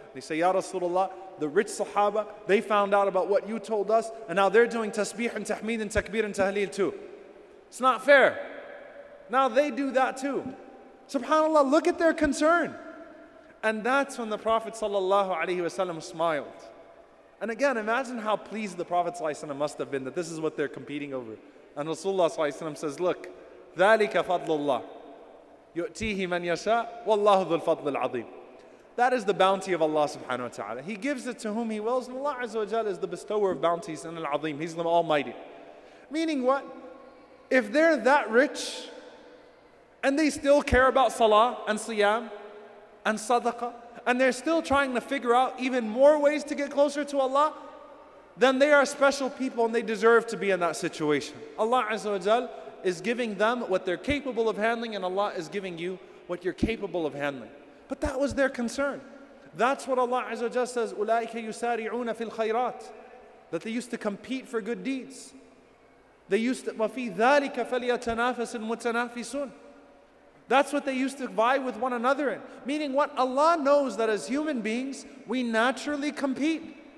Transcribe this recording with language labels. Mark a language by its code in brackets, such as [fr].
[en] They say, Ya Rasulullah, the rich sahaba, they found out about what you told us, and now they're doing tasbih and tahmeed and takbir and tahleel too. It's not fair. Now they do that too. SubhanAllah, look at their concern. And that's when the Prophet ﷺ smiled. And again, imagine how pleased the Prophet ﷺ must have been that this is what they're competing over. And Rasulullah ﷺ says, look, [ar] ذَلِكَ فَضْلُ اللَّهِ يُؤْتِيهِ مَنْ يَشَاءُ وَاللَّهُ ذُو الْفَضْلِ الْعَظِيمِ. [en] That is the bounty of Allah subhanahu wa ta'ala. He gives it to whom He wills, and Allah azza wa jal is the bestower of bounties and al-azim. He's the Almighty. Meaning what? If they're that rich, and they still care about salah and siyam and sadaqah, and they're still trying to figure out even more ways to get closer to Allah, then they are special people and they deserve to be in that situation. Allah azza wa jal is giving them what they're capable of handling, and Allah is giving you what you're capable of handling. But that was their concern. That's what Allah Azza wa Jalla says, [ar] أُولَٰئِكَ يُسَارِعُونَ فِي الْخَيْرَاتِ, [en] that they used to compete for good deeds. They used to, [ar] وَفِي ذَٰلِكَ فَلْيَتَنَافَسِ الْمُتَنَافِسُونَ. [en] That's what they used to vie with one another in. Meaning what? Allah knows that as human beings, we naturally compete.